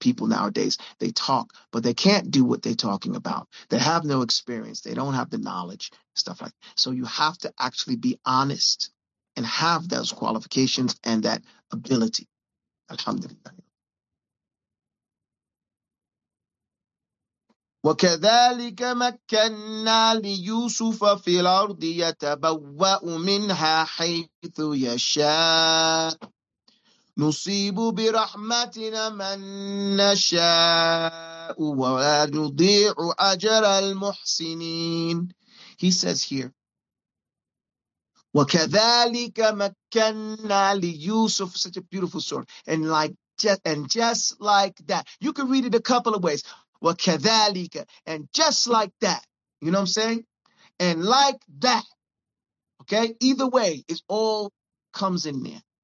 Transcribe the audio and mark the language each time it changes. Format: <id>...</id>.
<en>People nowadays, they talk, but they can't do what they're talking about. They have no experience. They don't have the knowledge, stuff like that. So you have to actually be honest and have those qualifications and that ability. Alhamdulillah.</en> <ar>وكذلك مكنا ليوسف في الأرض يتبوأ منها حيث يشاء نصيب برحمتنا من نشاء ولا نضيع أجر المحسنين.</ar> <en>He says here,</en> <ar>وكذلك مكنا ليوسف,</ar> <en>such a beautiful story, and just like that. You can read it a couple of ways. وَكَذَلِكَ, and just like that, you know what I'm saying? And like that, okay? Either way, it all comes in there.</en>